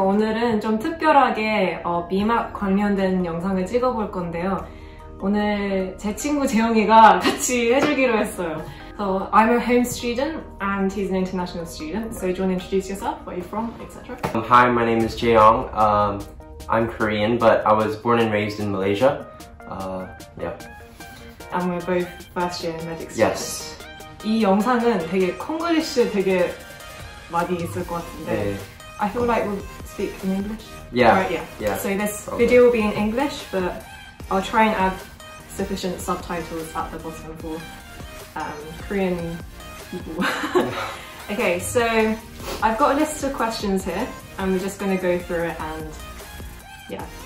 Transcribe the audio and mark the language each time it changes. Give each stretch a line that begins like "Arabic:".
Korean: 오늘은 좀 특별하게 BMAT 관련된 영상을 찍어볼 건데요. 오늘 제 친구 재영이가 같이 해주기로 했어요.
English: So I'm a home student and he's an international student. So do you want to introduce yourself, where you're from, etc. Hi, my name is Jaeyong. I'm Korean, but I was born and raised in Malaysia. Yeah. And we're both first year medic students. Yes.
Korean: 이 영상은 되게 콩글리시 되게 많이 있을 것 같은데
English: yeah. I feel like we'll speak in English. Yeah. Right, yeah. Yeah. So this video will be in English, but I'll try and add sufficient subtitles at the bottom for Korean people. Okay, so I've got a list of questions here and we're just going to go through it and yeah.